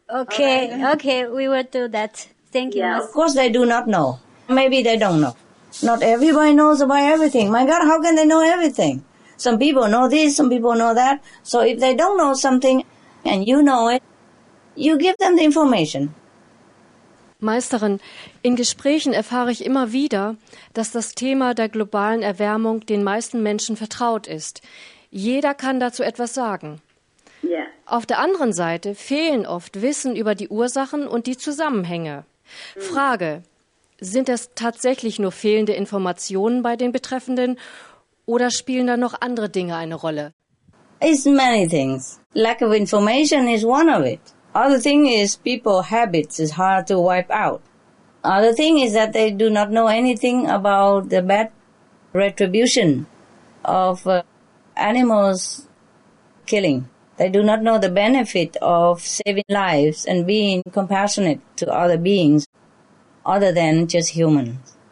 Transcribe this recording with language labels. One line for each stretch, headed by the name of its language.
English: Okay, right. Okay, we will do that. Thank you. Yes. Of course they do not know. Maybe they don't know. Not everybody knows about everything. My God, how can they know everything? Some people know this, some people know that. So if they don't know something and you know it, you give them the information.
German: Meisterin, in Gesprächen erfahre ich immer wieder, dass das Thema der globalen Erwärmung den meisten Menschen vertraut ist. Jeder kann dazu etwas sagen.
English: Yeah.
German: Auf der anderen Seite fehlen oft Wissen über die Ursachen und die Zusammenhänge. Frage, sind das tatsächlich nur fehlende Informationen bei den Betreffenden oder spielen da noch andere Dinge eine Rolle?
English: It's many things. Lack of information is one of it. Other thing is people habits is hard to wipe out. Other thing is that they do not know anything about the bad retribution of animals killing. They do not know the benefit of saving lives and being compassionate to other beings other than just humans.